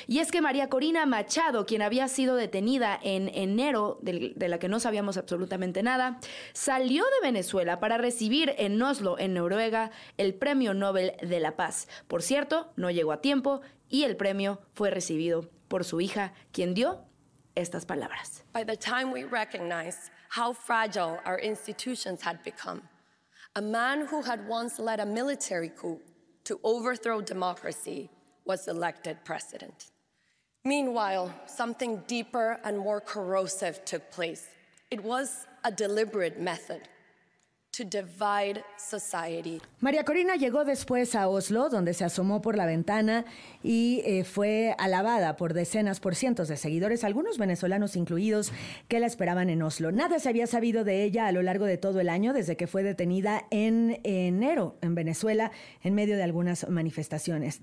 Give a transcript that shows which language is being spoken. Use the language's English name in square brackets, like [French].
[Spanish] Y es que María Corina Machado, quien había sido detenida en enero, de la que no sabíamos absolutamente nada, salió de Venezuela para recibir en Oslo, en Noruega, el Premio Nobel de la Paz. Por cierto, no llegó a tiempo y el premio fue recibido por su hija, quien dio estas palabras. [English] By the time we recognized how fragile our institutions had become, a man who had once led a military coup to overthrow democracy was elected president. Meanwhile, something deeper and more corrosive took place. It was a deliberate method to divide society. [Spanish] María Corina llegó después a Oslo, donde se asomó por la ventana y fue alabada por decenas, por cientos de seguidores, algunos venezolanos incluidos, que la esperaban en Oslo. Nada se había sabido de ella a lo largo de todo el año, desde que fue detenida en enero en Venezuela, en medio de algunas manifestaciones.